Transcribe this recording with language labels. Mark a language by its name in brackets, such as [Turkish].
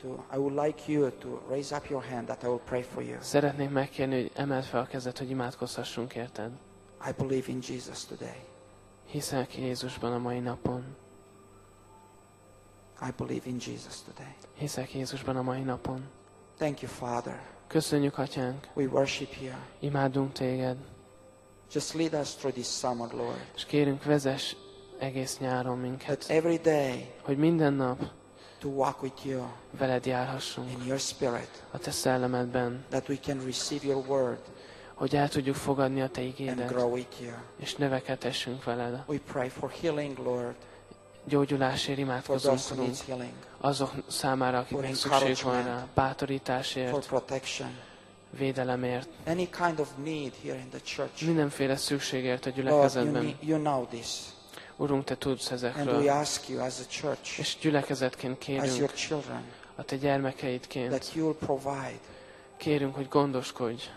[English] I would like you to raise up your hand that I will pray for you. [Hungarian] Szeretném megkérni, hogy emeld fel a kezed, hogy imádkozhassunk érted. [English] I believe in Jesus today. [Hungarian] Hiszek Jézusban a mai napon. [English] I believe in Jesus today. [Hungarian] Hiszek Jézusban a mai napon. [English] Thank you, Father. [Hungarian] Köszönjük, Atyánk. [English] We worship you. [Hungarian] Imádunk téged. [English] Just lead us through this summer, Lord. [Hungarian] És kérünk, vezess egész nyáron minket. [English] That every day, [Hungarian] hogy minden nap [English] to walk with you, [Hungarian] veled járhassunk, [English] in your spirit, [Hungarian] a te szellemedben, [English] that we can receive your word, [Hungarian] hogy el tudjuk fogadni a te ígédet, [English] and grow with you, [Hungarian] és növekedhessünk veled. [English] We pray for healing, Lord, [Hungarian] gyógyulásért imádkozunk, azok számára, akik még szükség van rá, bátorításért, [English] for protection, [Hungarian] védelemért, [English] any kind of need here in the church, [Hungarian] mindenféle szükségért a gyülekezetben. [English] Lord, you know this. [Hungarian] Urunk, te tudsz ezekről. [English] And we ask you as a church, [Hungarian] és gyülekezetként kérünk, [English] as your children, [Hungarian] a te gyermekeidként, [English] that you will provide, [Hungarian] kérünk, hogy gondoskodj,